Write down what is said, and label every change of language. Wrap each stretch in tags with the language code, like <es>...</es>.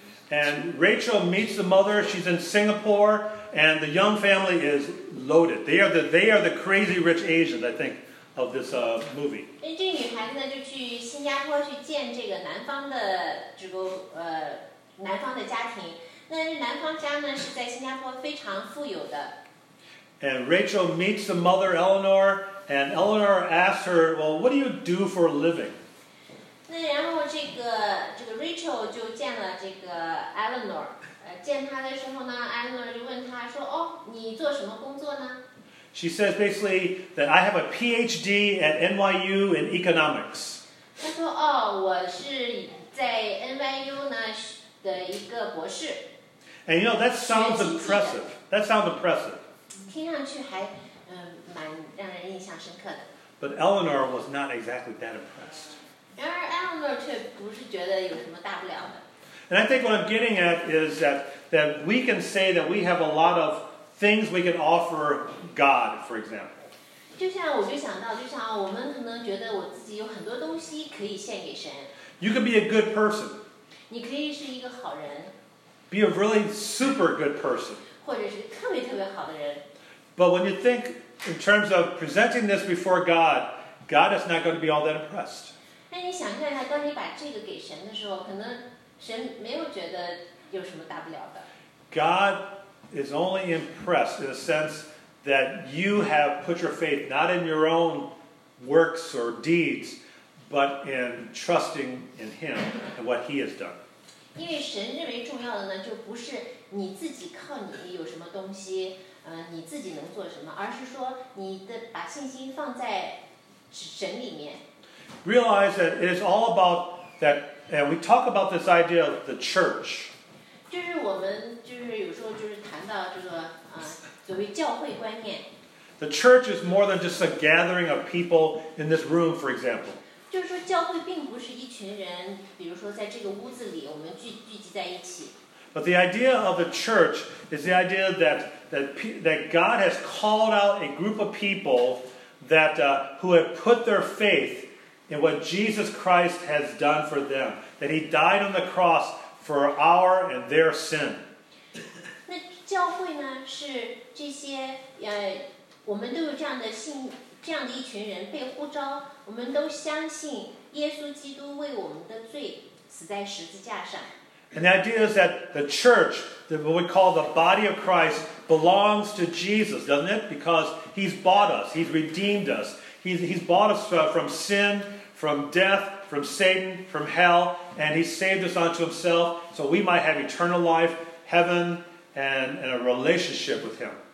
<en>And Rachel meets the mother, she's in Singapore, and the Young family is loaded. They are the crazy rich Asians, I think, of this movie.</en> <zh>这女孩子呢就去新加坡去见这个男方的这个男方的家庭。那男方家呢是在新加坡非常富有的。</zh> <en>And Rachel meets the mother, Eleanor, and Eleanor asks her, well, what do you do for a living?</en> <zh>那然后这个 Rachel 就见了这个 Eleanor, 见她的时候呢 ,Eleanor 就问她说哦你做什么工作呢</zh> <en>?She says basically that I have a PhD at NYU in economics.</en> <zh>她说哦我是在 NYU 呢的一个博士。</zh> <en>And you know, that sounds impressive. That sounds impressive.</en> <zh>听上去还蛮让人印象深刻的。</zh> <en>But Eleanor was not exactly that impressed.</en> <zh>然而 Eleanor 却不是觉得有什么大不了的。</zh> <en>And I think what I'm getting at is that we can say that we have a lot of things we can offer God, for example.</en> <zh>就像我就想到，就像我们可能觉得我自己有很多东西可以献给神。</zh> <en>You can be a good person.</en> <zh>你可以是一个好人。</zh> <en>Be a really super good person.</en> <zh>或者是特别特别好的人。</zh> <en>But when you think in terms of presenting this before God, God is not going to be all that impressed.</en> <zh>那你想象一下，当你把这个给神的时候，可能神没有觉得有什么大不了的。</zh> <en>God is only impressed in a sense that you have put your faith not in your own works or deeds, but in trusting in Him and what He has done.</en> <zh>因为神认为重要的呢，就不是你自己靠你有什么东西，你自己能做什么，而是说你的把信心放在神里面。</zh> <en>Realize that it is all about that, and we talk about this idea of the church.</en> <zh>就是我们就是有时候就是谈到这个所谓教会观念。</zh> <en>The church is more than just a gathering of people in this room, for example.</en> <zh>就是说教会并不是一群人，比如说在这个屋子里我们聚集在一起。</zh> <en>But the idea of the church is the idea that God has called out a group of people that who have put their faith. In what Jesus Christ has done for them, that He died on the cross for our and their sin.</en> <zh>那教会呢？是这些我们都有这样的信，这样的一群人被呼召，我们都相信耶稣基督为我们的罪死在十字架上。</zh> <en>And the idea is that the church, that what we call the body of Christ, belongs to Jesus, doesn't it? Because He's bought us, He's redeemed us. He's bought us from sin, from death, from Satan, from hell, and He saved us unto Himself so we might have eternal life, heaven, and a relationship with Him.</en>